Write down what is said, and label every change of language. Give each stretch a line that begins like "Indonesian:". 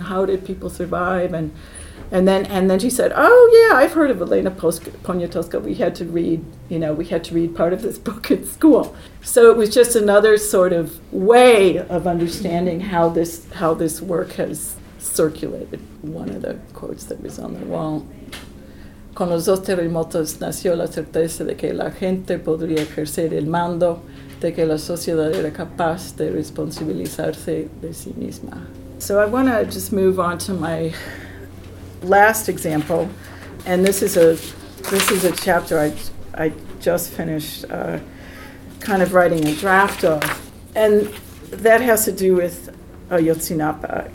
English: How did people survive? And then she said, oh yeah, I've heard of Elena Poniatowska. We had to read part of this book in school. So it was just another sort of way of understanding how this work has circulated. One of the quotes that was on the wall.
Spanish: Con los dos terremotos nació la certeza de que la gente podría ejercer el mando, de que la sociedad era capaz de responsabilizarse de sí misma.
English: So I want to just move on to my last example, and this is a chapter I just finished kind of writing a draft of. And that has to do with Ayotzinapa.